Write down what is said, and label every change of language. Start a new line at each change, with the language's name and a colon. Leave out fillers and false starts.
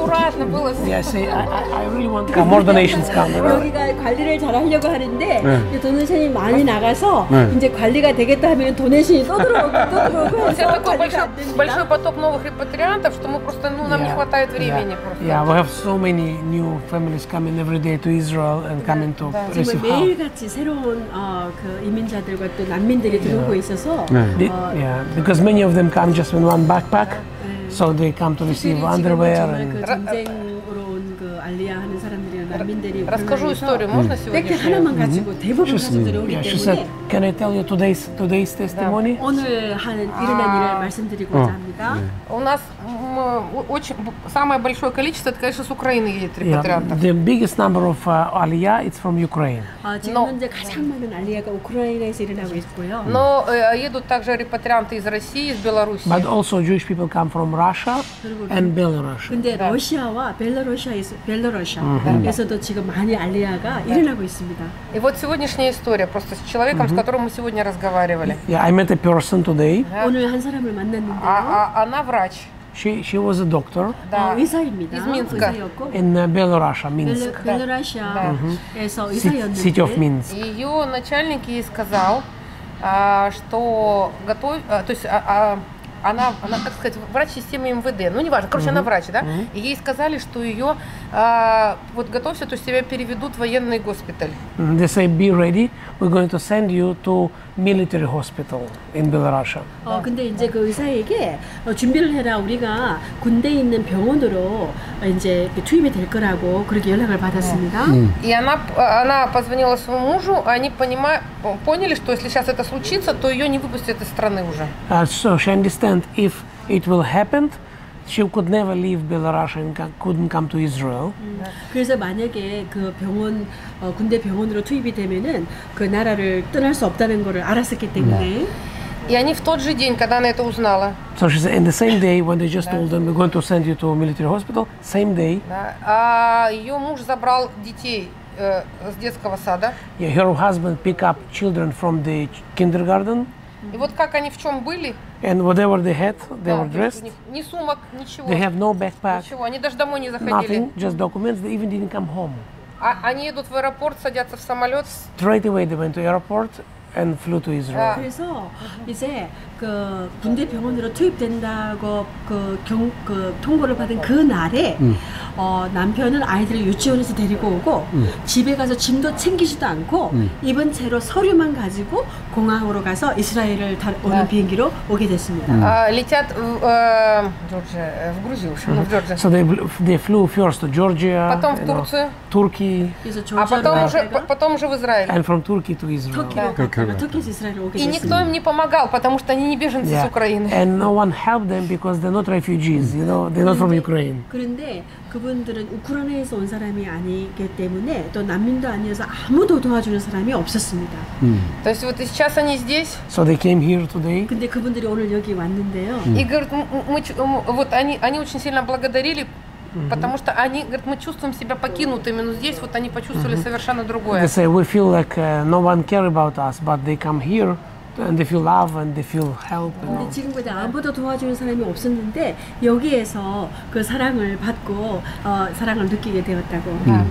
English: yeah, see, I really want to more donations come."
Korean: 여기가 관리를 잘 하려고 하는데 도네이션이 많이 나가서 이제 관리가 되겠다 하면 도네이션이 또 들어오고
English: So they come to receive underwear and...
Russian: Расскажу историю, можно сегодня?
Korean: 하나만 가지고 대부분 가족들이 오기 때문에
English: She said, can I tell you today's testimony?
Korean: 오늘 일어난 일을 말씀드리고자 합니다.
Russian: У нас очень самое большое количество, это, конечно, с Украины едет репатриантов.
English: The biggest number of Aliyah is from Ukraine.
Korean: 지금 현재 가장 많은 Aliyah가 Ukraine에서 일어나고 있고요.
Russian: Но едут также репатрианты из России, из Беларуси.
English: But also Jewish people come from Russia and Belarus.
Korean: 근데 러시아와 벨라루시아에서도 지금 많이 Aliyah가 일어나고 있습니다.
Russian: И вот сегодняшняя история просто с человеком, с которым мы сегодня разговаривали.
English: Yeah, I met a person today.
Korean: 오늘 한 사람을 만났는데요.
Russian: она врач.
English: She was a doctor.
Korean: 네, 의사입니다.
Russian: Из Минска.
English: In Belarus, Minsk.
Korean: Belarus. 그래서 의사였는데.
English: City of Minsk.
Russian: 이요 начальник ей сказал, что готов, то есть она как сказать, врач системы МВД. Ну неважно, короче, она врач, да? И ей сказали, что её вот готовься, то есть тебя переведут в военный госпиталь.
English: They say be ready. We're going to send you to military hospital in Belarus.
Korean: 어 근데 이제 그 의사에게 준비를 해라 우리가 군대에 있는 병원으로 이제 투입이 될 거라고 그렇게 연락을 받았습니다.
Russian: И она позвонила своему мужу, они поняли, что если сейчас это случится, то её не выпустят из страны уже.
English: So she understand if it will happen, she could never leave Belarus and couldn't come to Israel.
Korean: 그래서 만약에 그 병원 군대 병원으로 투입이 되면은 그 나라를 떠날 수 없다는 거를 알았었기 때문에.
Russian: И они в тот же день, когда она это узнала.
English: So she said, in the same day when they just told them we're going to send you to a military hospital, same day.
Russian: Её муж забрал детей с детского сада.
English: Yeah, her husband picked up children from the kindergarten.
Russian: И вот как они в чём были?
English: And whatever they had, they were dressed.
Russian: Ни сумок, ничего.
English: They have no backpack.
Russian: Ничего, они даже домой не заходили.
English: Nothing, just documents. They even didn't come home.
Russian: А они едут в аэропорт, садятся в самолёт.
English: Straight away they went to airport and flew to Israel.
Korean: 그래서 이제 그 군대 병원으로 투입된다고 그 통보를 받은 그 날에 남편은 아이들을 유치원에서 데리고 오고 집에 가서 짐도 챙기지도 않고 입은 채로 서류만 가지고 공항으로 가서 이스라엘을 오는 비행기로 오게 됐습니다.
Russian: Летят в Грузию, в Джорджию.
English: So they flew first to Georgia.
Russian: потом в Турцию.
English: Turkey.
Korean: 그래서
Russian: 아 потом уже в Израиль.
English: And from Turkey to Israel.
Korean: 터키.
Russian: И никто им не помогал, потому что они не беженцы с Украины.
English: And no one helped them because they're not refugees, you know, they're not from Ukraine.
Korean: 그런데 그분들은 우크라이나에서 온 사람이 아니기 때문에 또 난민도 아니어서 아무도 도와주는 사람이 없었습니다. 또 지금
Russian: вот сейчас они здесь.
English: So they came here today.
Korean: 근데 그분들이 오늘 여기 왔는데요.
Russian: И говорят, мы вот они очень сильно благодарили. Потому что они, говорят, мы чувствуем себя покинутыми, но здесь вот они почувствовали совершенно другое.
English: They say, we feel like no one cares about us, but they come here, and they feel love, and they feel help.
Korean: 근데 지금까지 아무도 도와주는 사람이 없었는데 여기에서 그 사랑을 받고 사랑을 느끼게 되었다고.